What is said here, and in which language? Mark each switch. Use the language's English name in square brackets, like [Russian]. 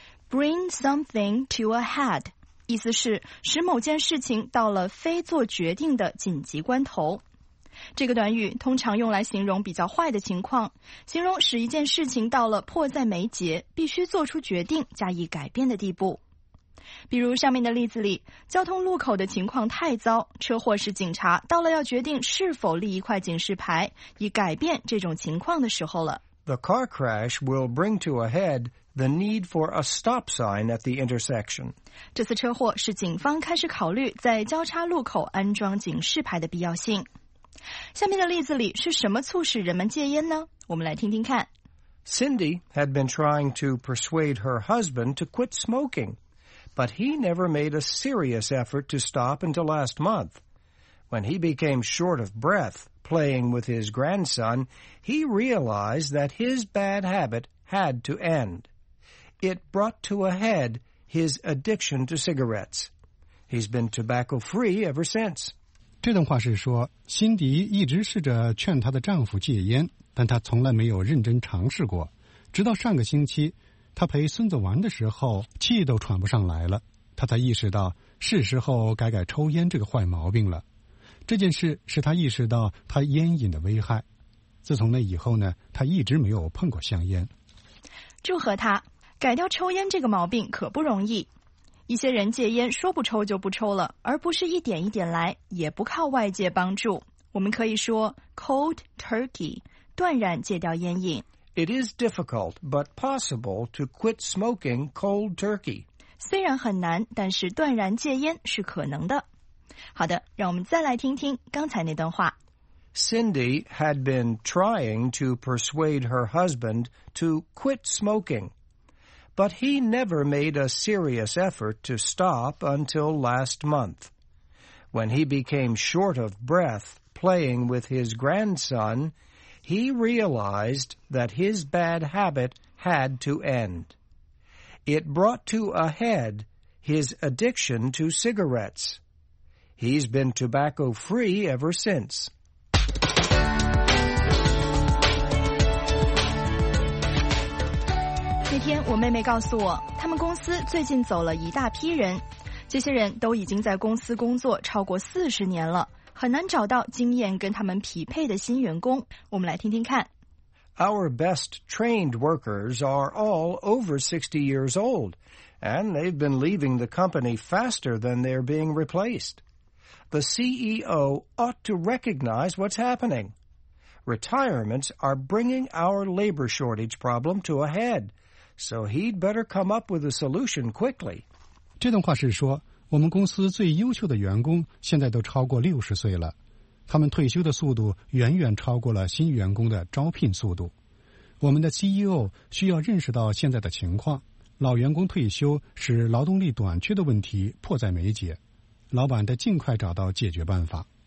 [English] Bring something to a head. [Chinese] 意思是使某件事情到了非做决定的紧急关头。这个短语通常用来形容比较坏的情况，形容使一件事情到了迫在眉睫，必须做出决定加以改变的地步。比如上面的例子里，交通路口的情况太糟，车祸是警察到了要决定是否立一块警示牌以改变这种情况的时候了。 [English] The car crash will bring to a head the need for a stop sign at the intersection. [Chinese] 这次车祸是警方开始考虑在交叉路口安装警示牌的必要性。下面的例子里是什么促使人们戒烟呢？我们来听听看。 [English] Cindy had been trying to persuade her husband to quit smoking, but he never made a serious effort to stop until last month. When he became short of breath playing with his grandson, he realized that his bad habit had to end. It brought to a head his addiction to cigarettes. He's been tobacco-free ever since. [Chinese] 这段话是说，辛迪一直试着劝她的丈夫戒烟，但她从来没有认真尝试过。直到上个星期，她陪孙子玩的时候，气都喘不上来了，她才意识到是时候改改抽烟这个坏毛病了。这件事使她意识到她烟瘾的危害。自从那以后呢，她一直没有碰过香烟。祝贺她，改掉抽烟这个毛病可不容易。一些人戒烟说不抽就不抽了，而不是一点一点来，也不靠外界帮助。我们可以说 cold turkey, 断然戒掉烟瘾。 [English] It is difficult but possible to quit smoking cold turkey. [Chinese] 虽然很难，但是断然戒烟是可能的。好的，让我们再来听听刚才那段话。 [English] Cindy had been trying to persuade her husband to quit smoking, but he never made a serious effort to stop until last month. When he became short of breath playing with his grandson, he realized that his bad habit had to end. It brought to a head his addiction to cigarettes. He's been tobacco-free ever since. [Chinese] 那天我妹妹告诉我，他们公司最近走了一大批人，这些人都已经在公司工作超过40年了，很难找到经验跟他们匹配的新员工。我们来听听看。 [English] Our best trained workers are all over 60 years old, and they've been leaving the company faster than they're being replaced. The CEO ought to recognize what's happening. Retirements are bringing our labor shortage problem to a head. So he'd better come up with a solution quickly. [Chinese] 这段话是说，我们公司最优秀的员工现在都超过60岁了，他们退休的速度远远超过了新员工的招聘速度。我们的 CEO 需要认识到现在的情况，老员工退休使劳动力短缺的问题迫在眉睫，老板得尽快找到解决办法。